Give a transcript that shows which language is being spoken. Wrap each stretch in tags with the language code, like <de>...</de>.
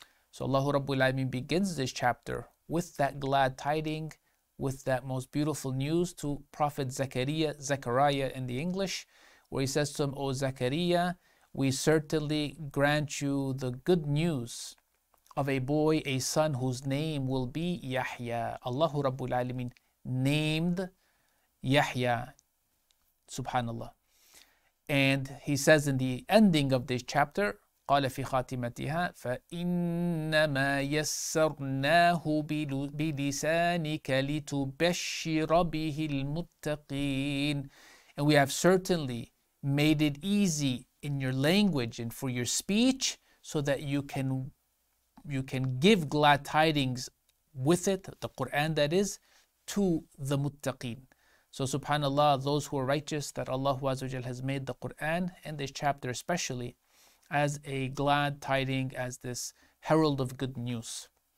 <en>So Allahu Rabbul Alameen begins this chapter with that glad tiding, with that most beautiful news to Prophet Zechariah in the English, where he says to him, O Zechariah, we certainly grant you the good news of a boy, a son whose name will be Yahya. Allahu Rabbul Alameen named Yahya, subhanAllah. And he says in the ending of this chapter,</en> <ar>قال في خاتمتها فإنما يسرناه بلسانك لتبشر به المتقين.</ar> <en>And we have certainly made it easy in your language and for your speech so that you can give glad tidings with it, the Quran that is, to the muttaqin. So subhanAllah, those who are righteous, that Allah has made the Quran and this chapter especially as a glad tiding, as this herald of good news.</en>